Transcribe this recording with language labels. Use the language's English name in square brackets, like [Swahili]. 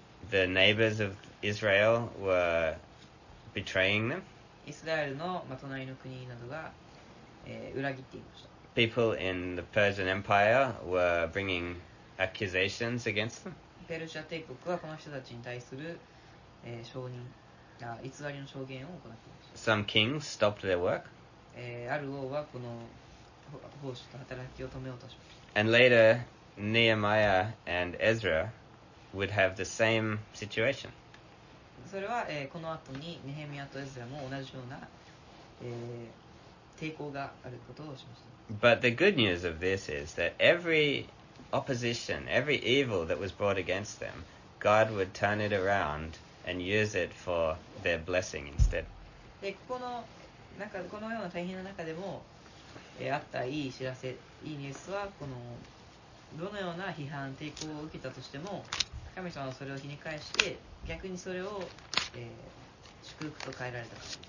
[English] The neighbors of Israel were betraying them. [Japanese] イスラエルの隣の国などが、裏切っていました。 [English] People in the Persian Empire were bringing accusations against them. [Japanese] ペルシャ帝国はこの人たちに対する、証人、偽りの証言を行っていました。 [English] Some kings stopped their work. [Japanese] ある王はこの奉仕と働きを止めようとしました。 [English] And later, Nehemiah and Ezra. Would have the same situation. [Japanese] それは、この後にネヘミヤとエズラも同じような、抵抗があることをしました。 [English] But the good news of this is that every opposition, every evil that was brought against them, God would turn it around and use it for their blessing instead. [Japanese] で、このような大変な中でも、あったいい知らせ、いいニュースはこのどのような批判、抵抗を受けたとしても。神様はそれをひね返して、逆にそれを、祝福と変えられたからです。